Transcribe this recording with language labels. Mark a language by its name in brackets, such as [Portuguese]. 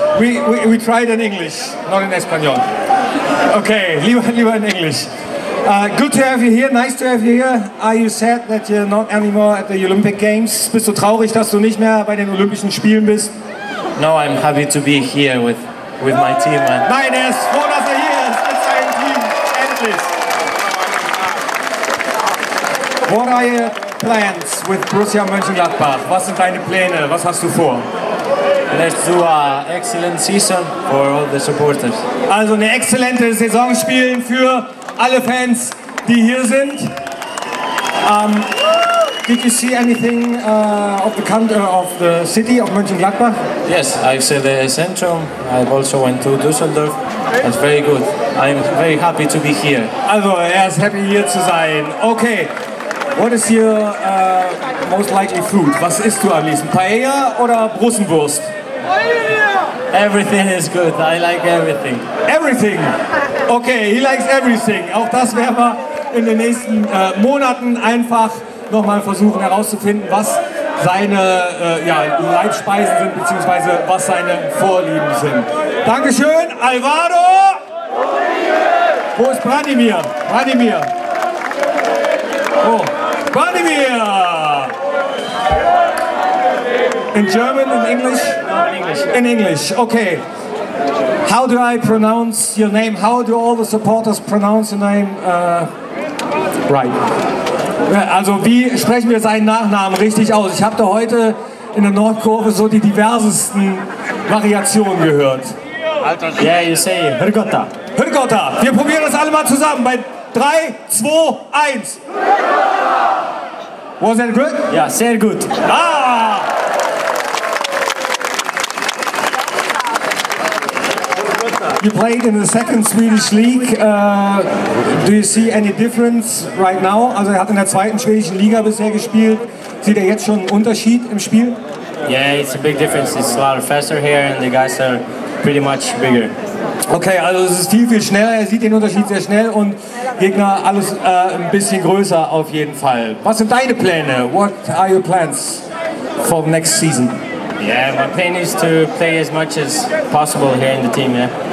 [English] We tried in English, not in Espanol. Okay, lieber in English. Good to have you here, nice to have you here. Are you sad that you're not anymore at the Olympic Games? [German] Bist du traurig, dass du nicht mehr bei den Olympischen Spielen bist? [English] No, I'm happy to be here with my team. [German] Nein, er ist froh, dass er hier ist mit seinem Team. Endlich. [English] What are your plans with Borussia Mönchengladbach? [German] Was sind deine Pläne? Was hast du vor? [English] Let's do an excellent season for all the supporters. [German] Also eine exzellente Saison spielen für alle Fans, die hier sind. [English] Did you see anything of the city of Mönchengladbach? Yes, I saw the Zentrum. I've also went to Düsseldorf. That's very good. I'm very happy to be here. [German] Also, ist happy hier zu sein. Okay. [English] What is your most likely food? [German] Was isst du am liebsten? Paella oder Brussenwurst? [English] Everything is good. I like everything. Everything? Okay, he likes everything. [German] Auch das werden wir in den nächsten Monaten einfach nochmal versuchen herauszufinden, was seine Leibspeisen sind, beziehungsweise was seine Vorlieben sind. Dankeschön, Alvaro! Wo ist Branimir? Branimir! Oh, Branimir! [English] In German, in English? In English. Okay. How do I pronounce your name? How do all the supporters pronounce your name? Right. [German] Also, wie sprechen wir seinen Nachnamen richtig aus? Ich habe da heute in der Nordkurve so die diversesten Variationen gehört. [English] Yeah, you say Hrgota. Hrgota. [German] Wir probieren das alle mal zusammen. Bei 3, 2, 1. [English] Was that good? [German] Yeah, sehr gut. Ah! [English] You played in the second Swedish league. Do you see any difference right now? [German] Also er hat in der zweiten schwedischen Liga bisher gespielt. Sieht er jetzt schon einen Unterschied im Spiel? [English] Yeah, it's a big difference. It's a lot faster here and the guys are pretty much bigger. [German] Okay, also es ist viel, viel schneller. Er sieht den Unterschied sehr schnell und Gegner alles ein bisschen größer auf jeden Fall. Was sind deine Pläne? [English] What are your plans for next season? Yeah, my plan is to play as much as possible here in the team, yeah.